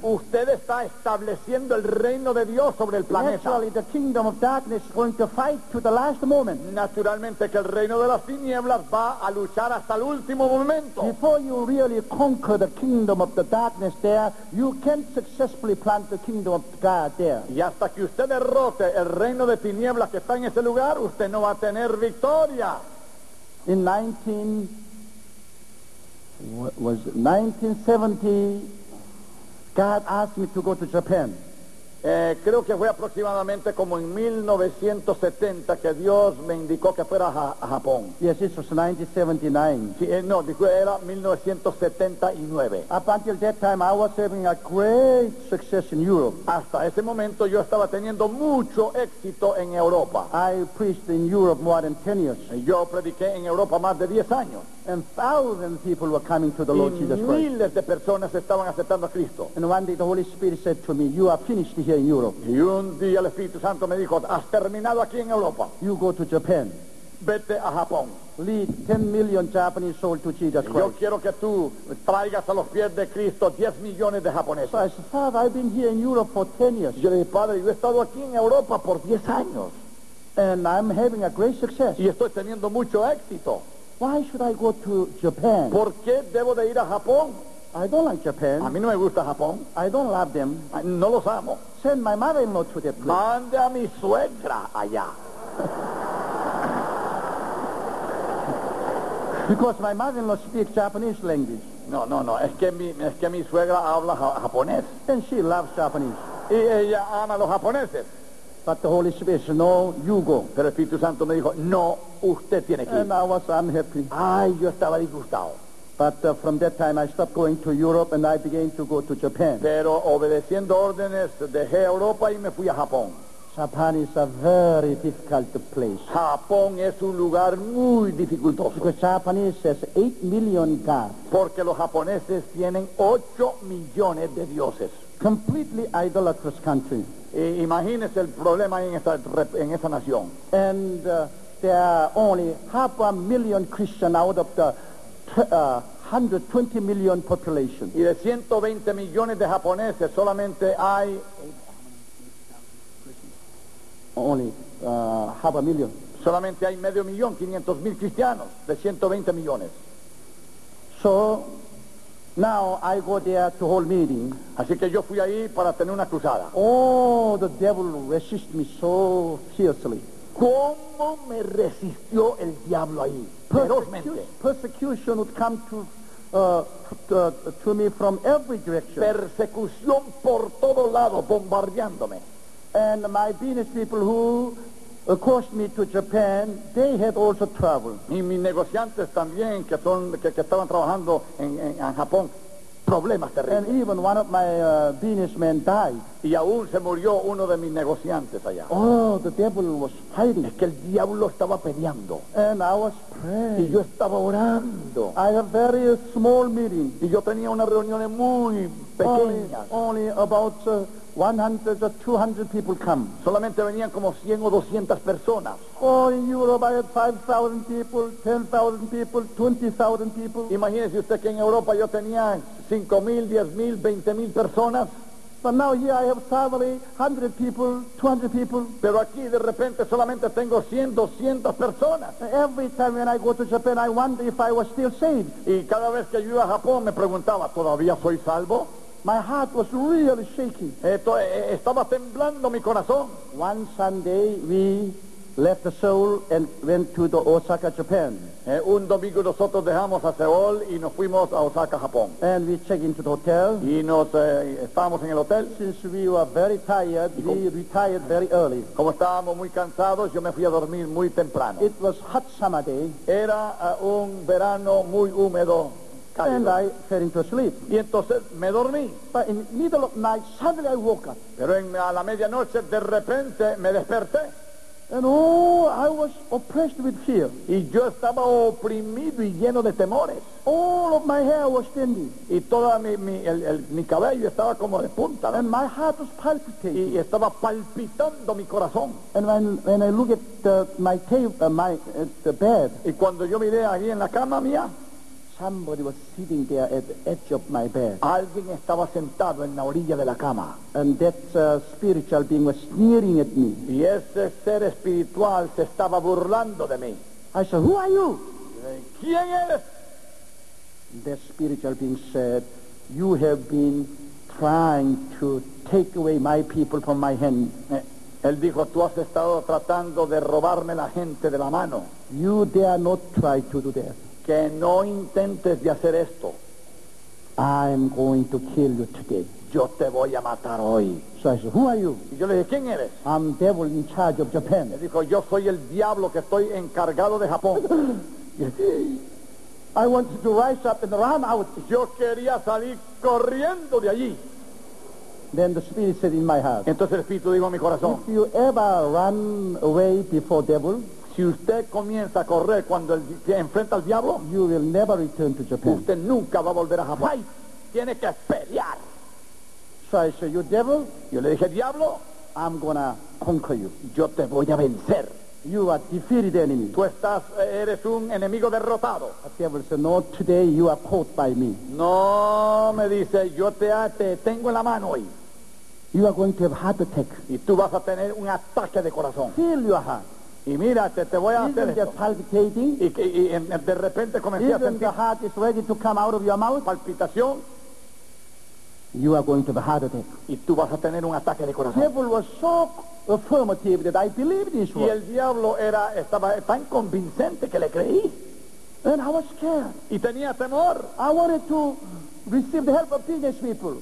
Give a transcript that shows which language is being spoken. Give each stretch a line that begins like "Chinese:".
Spanish: Usted está estableciendo el reino de Dios sobre el planeta.
English: The kingdom of darkness is going to fight to the last moment.
Spanish: Naturalmente que el reino de las tinieblas va a luchar hasta el último momento.
English: Before you really conquer the kingdom of the darkness there, you can't successfully plant the kingdom of God there.
Spanish: Y hasta que usted derrote el reino de tinieblas que está en ese lugar, usted no va a tener victoria.
English: In 1970, God asked me to go to Japan.
Spanish: Creo que fue aproximadamente como en 1970 que Dios me indicó que fuera a Japón.
English: Yes, it was 1979.
Spanish: Sí, no, era 1979.
English: Up until that time, I was having a great success in Europe.
Spanish: Hasta ese momento, yo estaba teniendo mucho éxito en Europa.
English: I preached in Europe more than 10 years.
Spanish: Yo prediqué en Europa más de 10 años.
English: And thousands of people were coming to the Lord Jesus Christ.
Spanish: Miles de personas estaban aceptando a Cristo.
English: And one day the Holy Spirit said to me, you are finished here in Europe.
Spanish: Y un día el Espíritu Santo me dijo, has terminado aquí en Europa.
English: You go to Japan.
Spanish: Vete a Japón.
English: Lead 10 million Japanese souls to Jesus Christ.
Spanish: Yo quiero que tú traigas a los pies de Cristo 10 millones de japoneses.
English: So I said, Father, I've been here in Europe for 10 years.
Spanish: Yo le dije, Padre, yo he estado aquí en Europa por 10 años.
English: And I'm having a great success.
Spanish: Y estoy teniendo mucho éxito.
English: Why should I go to Japan?
Spanish: ¿Por qué debo de ir a Japón?
English: I don't like Japan.
Spanish: A mí no me gusta Japón.
English: I don't love them.
Spanish: No los amo.
English: Send my mother-in-law to that place.
Spanish: Mande a mi suegra allá.
English: Because my mother-in-law speaks Japanese language.
Spanish: No. Es que mi suegra habla japonés.
English: And she loves Japanese.
Spanish: Y ella ama a los japoneses.
English: But the Holy Spirit said, no, you go.
Spanish: Pero el Espíritu Santo me dijo, no, usted tiene que ir.
English: And I was unhappy.
Spanish: Ay, yo estaba disgustado.
English: But from that time I stopped going to Europe and I began to go to Japan.
Spanish: Pero obedeciendo órdenes dejé Europa y me fui a Japón.
English: Japan is a very difficult place.
Spanish: Japón es un lugar muy dificultoso.
English: Because Japanese has 8 million gods.
Spanish: Porque los japoneses tienen 8 millones de dioses.
English: Completely idolatrous country.
Spanish: E imagínese el problema en esa nación.
English: And there are only 500,000 Christians out of the 120 million population.
Spanish: Y de 120 millones de japoneses solamente hay...
English: Half a million.
Spanish: Solamente hay 500,000 cristianos de 120 millones.
English: So, now I go there to hold meeting.
Spanish: Así que yo fui ahí para tener una cruzada.
English: Oh, the devil resisted me so fiercely.
Spanish: ¿Cómo me resistió el diablo ahí? Ferozmente.
English: Persecution would come to me from every direction.
Spanish: Persecución por todo lado, bombardeándome.
English: And my business people who accosted me to Japan, they had also trouble.
Spanish: Y mis negociantes también que estaban trabajando en Japón, problemas terribles.
English: And even one of my businessmen died.
Spanish: Y aún se murió uno de mis negociantes allá.
English: Oh, the devil was fighting.
Spanish: Es que el diablo estaba peleando.
English: And I was praying.
Spanish: Y yo estaba orando.
English: I had a very small meeting.
Spanish: Y yo tenía unas reuniones muy pequeñas.
English: Only about 100 or 200 people come.
Spanish: Solamente venían como 100 o 200 personas.
English: Oh, in Europe I had 5,000 people, 10,000 people, 20,000 people.
Spanish: Imagínese usted que en Europa yo tenía 5,000, 10,000, 20,000 personas.
English: But now here I have suddenly 100 people, 200 people.
Spanish: Pero aquí de repente solamente tengo 100, 200 personas.
English: Every time when I go to Japan, I wonder if I was still saved.
Spanish: Y cada vez que yo iba a Japón me preguntaba, ¿todavía soy salvo?
English: My heart was really shaking.
Spanish: Estaba temblando mi corazón.
English: One Sunday we left Seoul and went to the Osaka, Japan.
Spanish: Un domingo nosotros dejamos a Seoul y nos fuimos a Osaka, Japón.
English: And we checked into the hotel.
Spanish: Y nos estábamos en el hotel.
English: Since we were very tired, we retired very early.
Spanish: Como estábamos muy cansados, yo me fui a dormir muy temprano.
English: It was hot summer day.
Spanish: Era un verano muy húmedo. Cálido.
English: And I fell into sleep.
Spanish: Y entonces me dormí.
English: But in the middle of night, suddenly I woke up.
Spanish: Pero a la medianoche, de repente, me desperté.
English: And oh, I was oppressed with fear.
Spanish: Y yo estaba oprimido y lleno de temores.
English: All of my hair was standing.
Spanish: Y toda mi cabello estaba como de punta, ¿no?
English: And my heart was palpitating.
Spanish: Y estaba palpitando mi corazón.
English: And when I looked at the bed.
Spanish: Y cuando yo miré ahí en la cama mía.
English: Somebody was sitting there at the edge of my bed.
Spanish: Alguien estaba sentado en la orilla de la cama.
English: And that spiritual being was sneering at me.
Spanish: Y ese ser espiritual se estaba burlando de mí.
English: I said, "Who are you?"
Spanish: ¿Quién eres?
English: The spiritual being said, "You have been trying to take away my people from my hand."
Spanish: Él dijo, "Tú has estado tratando de robarme la gente de la mano."
English: You dare not try to do that.
Spanish: Que no intentes de hacer esto.
English: I'm going to kill you today.
Spanish: Yo te voy a matar hoy.
English: So I said, "Who are you?"
Spanish: Y yo le dije, "¿Quién eres?"
English: I'm devil in charge of Japan.
Spanish: Él dijo, "Yo soy el diablo que estoy encargado de Japón."
English: I wanted to rise up and run out.
Spanish: Yo quería salir corriendo de allí.
English: Then the spirit said in my heart.
Spanish: Entonces el espíritu dijo en mi corazón.
English: If you ever run away before devil.
Spanish: Si usted comienza a correr cuando se enfrenta al diablo,
English: you will never return to Japan.
Spanish: Usted nunca va a volver a Japón.
English: Fight.
Spanish: Tiene que pelear.
English: So I said, "You devil."
Spanish: Yo le dije, "Diablo,
English: I'm gonna conquer you."
Spanish: Yo te voy a vencer.
English: You are defeated enemy.
Spanish: Tú estás, eres un enemigo derrotado.
English: The devil said, "No, today you are caught by me."
Spanish: No, me dice, yo te tengo en la mano hoy.
English: You are going to have a heart attack.
Spanish: Y tú vas a tener un ataque de corazón.
English: Feel your heart.
Spanish: Y mira, te voy a hacer esto.
English: Palpitating?
Spanish: Y de repente comencé
English: Isn't
Spanish: a sentir.
English: Your heart is ready to come out of your mouth?
Spanish: Palpitación.
English: You are going to have a heart attack.
Spanish: Y tú vas a tener un ataque de corazón.
English: The devil was so affirmative that I believed in
Spanish: Y el diablo estaba tan convincente que le creí.
English: And I was scared.
Spanish: Y tenía temor.
English: I wanted to receive the help of business people.